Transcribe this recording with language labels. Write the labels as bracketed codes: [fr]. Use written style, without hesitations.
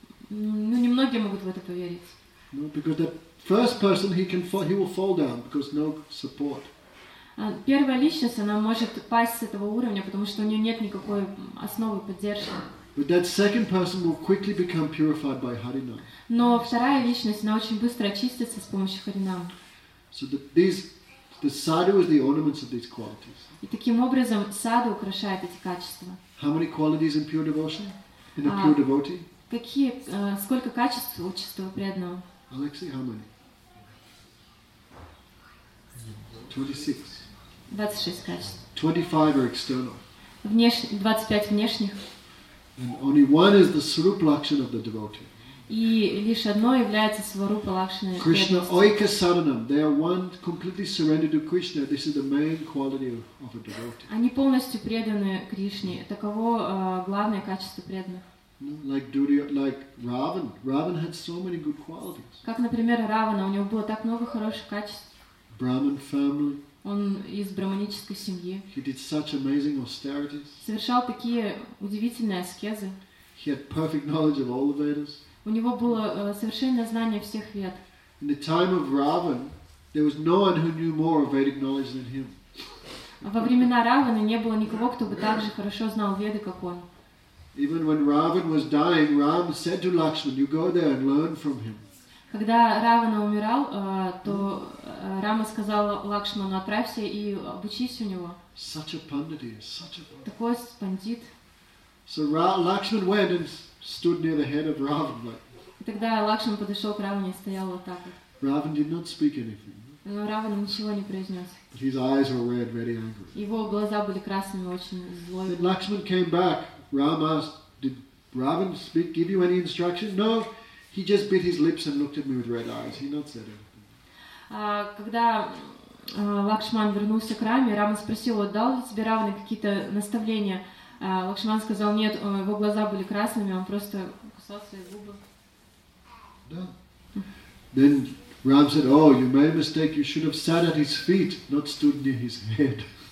[ru] Ну, немногие могут в это поверить. [en] No, because the first person he will fall down because no support. [ru] Первая личность она может пасть с этого уровня, потому что у нее нет никакой основы поддержки. [en] But that second person will quickly become purified by Harinam. [ru] Но вторая личность она очень быстро очистится с помощью Харинам. [en] So the sadhu is the ornaments of these qualities. [ru] И таким образом саду украшает эти качества. [en] How many qualities in pure devotion? In a pure devotee? [ru] Какие, сколько качеств у чистого преданного? [en] Alexei, how many? [ru] 26 качеств. [en] 25 are external. [ru] 25 внешних. [en] And only one is the Swarupa Lakshana of the devotee. [ru] И лишь одно является Сварупа Лакшина. [en] Krishna Oika Saranam. They are one completely surrendered to Krishna. This is the main quality of a devotee. [ru] Они полностью преданы Кришне. Таково главное качество преданных. [en] Like Ravan. Ravan had so many good qualities. [ru] Как, например, Равана. У него было так много хороших качеств. [en] Brahmin family. [ru] Он из брахманической семьи. [en] He did such amazing austerities. [ru] Совершал такие удивительные аскезы. [en] He had perfect knowledge of all the Vedas. [ru] У него было совершенное знание всех вед. [en] In the time of Ravan, there was no one who knew more of Vedic knowledge than him. [ru] Во времена Равана не было никого, кто бы так же хорошо знал веды, как он. [en] Even when Ravan was dying, Ram said to Lakshman, "You go there and learn from him." [ru] Когда Равана умирал, то Рама сказал Лакшману, отправься и обучись у него. [en] Such a pandit, such a. [ru] Такой пандит. [en] So Lakshman went and stood near the head of Ravan. [ru] Тогда Лакшман подошел к Раване и стоял вот так. [en] Ravan did not speak anything. [ru] Но Равана ничего не произнес. [en] But his eyes were red, very angry. [ru] Его глаза были красными, очень злой. [en] Then Lakshman came back. Ram asked, "Did Ravan speak? Give you any instruction?" No. He just bit his lips and looked at me with red eyes. He not said anything. [ru] Когда Лакшман вернулся к Раме, Рама спросил, дал ли тебе Равана какие-то наставления. Лакшман сказал, нет, его глаза были красными, он просто кусал свои губы. Да. [en] Then Ram said, "Oh, you made a mistake. You should have sat at his feet, not stood near his head."